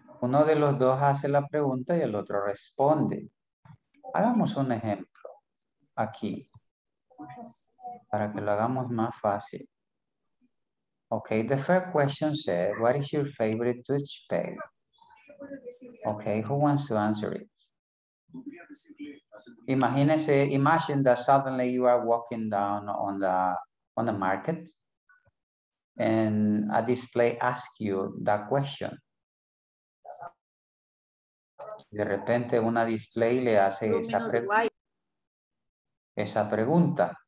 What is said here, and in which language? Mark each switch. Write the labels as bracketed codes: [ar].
[es] Uno de los dos hace la pregunta y el otro responde. Hagamos un ejemplo aquí para que lo hagamos más fácil. [en] Ok, the first question said, what is your favorite toothpaste? Ok, who wants to answer it? Imagine that suddenly you are walking down on the market and a display asks you that question. [es] De repente una display le hace esa pregunta.